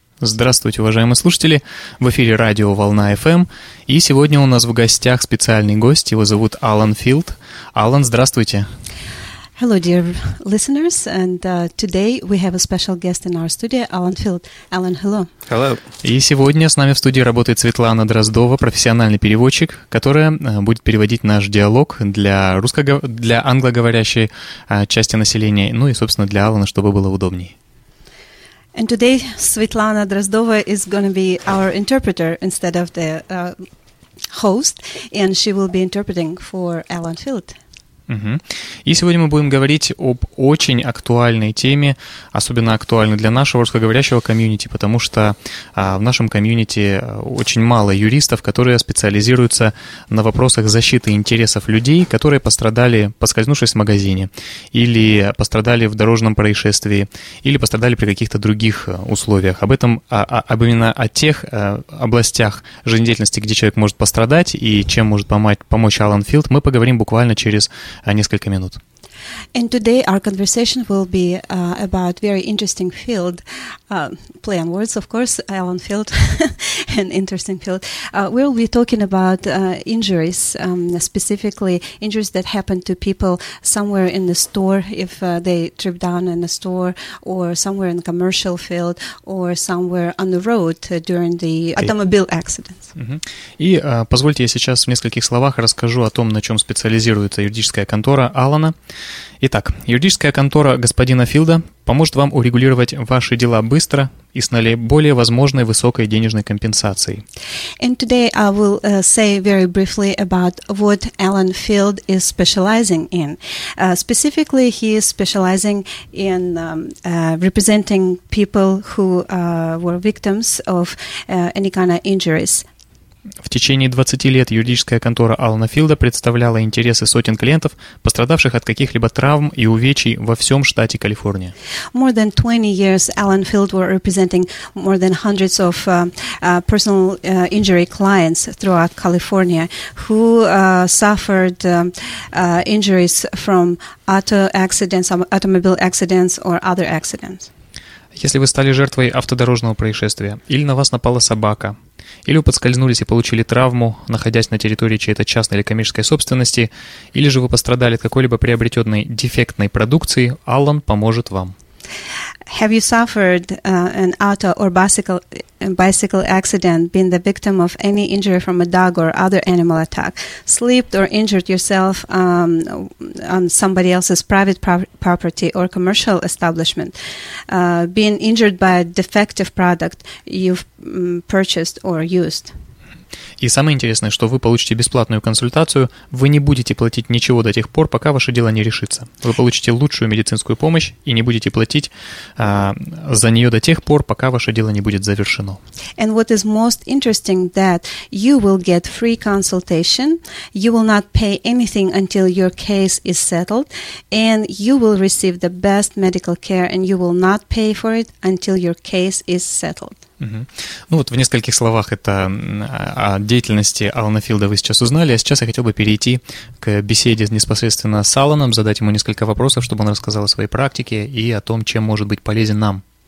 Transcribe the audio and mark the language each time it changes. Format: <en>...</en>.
<ru>Здравствуйте, уважаемые слушатели! В эфире радио «Волна FM», и сегодня у нас в гостях специальный гость, его зовут Алан Филд. Алан, здравствуйте!</ru> <en>Hello, dear listeners, and today we have a special guest in our studio, Alan Field. Alan, hello. Hello.</en> <ru>И сегодня с нами в студии работает Светлана Дроздова, профессиональный переводчик, которая будет переводить наш диалог для для англоговорящей части населения, ну и, собственно, для Алана, чтобы было удобней.</ru> <en>And today Светлана Дроздова is going to be our interpreter instead of the host, and she will be interpreting for Alan Field.</en> <ru>И сегодня мы будем говорить об очень актуальной теме, особенно актуальной для нашего русскоговорящего комьюнити, потому что в нашем комьюнити очень мало юристов, которые специализируются на вопросах защиты интересов людей, которые пострадали, поскользнувшись в магазине, или пострадали в дорожном происшествии, или пострадали при каких-то других условиях. Об этом, именно о тех областях жизнедеятельности, где человек может пострадать, и чем может помочь Алан Филд, мы поговорим буквально через несколько минут.</ru> <en>And today our conversation will be about very interesting field, play on words, of course, Alan Field, an interesting field. We'll be talking about injuries, specifically injuries that happen to people somewhere in the store, if they trip down in the store, or somewhere in the commercial field, or somewhere on the road during the automobile accidents.</en> <ru>И позвольте, я сейчас в нескольких словах расскажу о том, на чем специализируется юридическая контора Алана. Итак, юридическая контора господина Филда поможет вам урегулировать ваши дела быстро и с наиболее возможной высокой денежной компенсацией.</ru> <en>And today I will say very briefly about what Alan Field is specializing in. Specifically, he is specializing in representing people who were victims of any kind of injuries.</en> <ru>В течение 20 лет юридическая контора Алана Филда представляла интересы сотен клиентов, пострадавших от каких-либо травм и увечий во всем штате Калифорния.</ru> <en>More than 20 years Alan Field were representing more than hundreds of personal injury clients throughout California who suffered injuries from auto accidents, automobile accidents or other accidents.</en> <ru>Если вы стали жертвой автодорожного происшествия, или на вас напала собака, или вы подскользнулись и получили травму, находясь на территории чьей-то частной или коммерческой собственности, или же вы пострадали от какой-либо приобретенной дефектной продукции, Алан поможет вам.</ru> <en>Have you suffered an auto or bicycle accident, been the victim of any injury from a dog or other animal attack, slipped or injured yourself on somebody else's private property or commercial establishment, been injured by a defective product you've purchased or used?</en> <ru>И самое интересное, что вы получите бесплатную консультацию, вы не будете платить ничего до тех пор, пока ваше дело не решится. Вы получите лучшую медицинскую помощь и не будете платить за нее до тех пор, пока ваше дело не будет завершено.</ru> <en>And what is most interesting that you will get free consultation, you will not pay anything until your case is settled, and you will receive the best medical care, and you will not pay for it until your case is settled.</en> <ru>Ну вот в нескольких словах это о деятельности Алана Филда вы сейчас узнали, а сейчас я хотел бы перейти к беседе непосредственно с Аланом, задать ему несколько вопросов, чтобы он рассказал о своей практике и о том, чем может быть полезен нам.</ru>